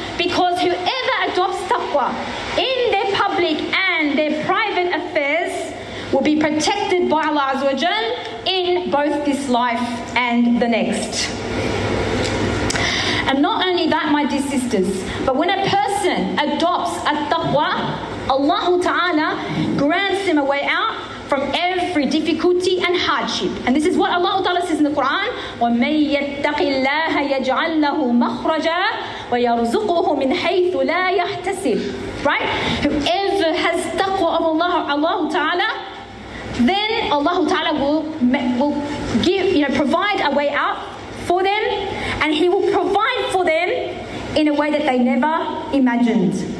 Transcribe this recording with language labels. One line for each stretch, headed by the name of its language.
English: Because whoever adopts taqwa in their public and their private affairs will be protected by Allah Azza wa Jal in both this life and the next. And not only that, my dear sisters, but when a person adopts a taqwa, Allah Ta'ala grants him a way out from every difficulty and hardship. And this is what Allah Ta'ala says in the Quran,
Arabic: وَمَنْ يَتَّقِ اللَّهَ يَجْعَلْ لَهُ مَخْرَجًا وَيَرْزُقُهُ مِنْ حَيْثُ لَا يَحْتَسِبُ.
English: Right? Whoever has taqwa of Allah Ta'ala, then Allah Ta'ala will give, you know, provide a way out for them, and He will provide for them in a way that they never imagined.